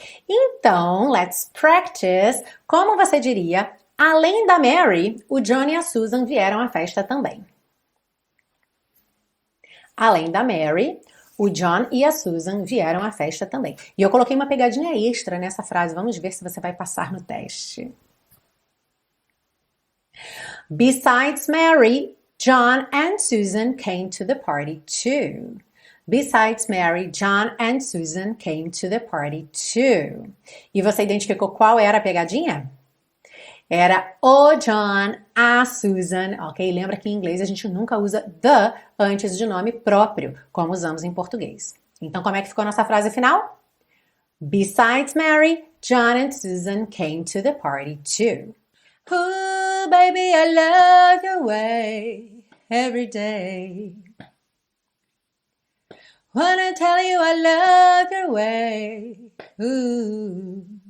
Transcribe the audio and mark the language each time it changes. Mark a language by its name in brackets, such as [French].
[Portuguese] Então, [English] let's practice. [Portuguese] Como você diria, além da Mary, o John e a Susan vieram à festa também. Além da Mary, o John e a Susan vieram à festa também. E eu coloquei uma pegadinha extra nessa frase. Vamos ver se você vai passar no teste. [English] Besides Mary, John and Susan came to the party too. Besides Mary, John and Susan came to the party too. [Portuguese] E você identificou qual era a pegadinha? Era o John, a Susan, ok? Lembra que em inglês a gente nunca usa the antes de nome próprio, como usamos em português. Então, como é que ficou a nossa frase final? [English] Besides Mary, John and Susan came to the party too. Ooh, baby, I love your way every day. Wanna tell you I love your way, ooh.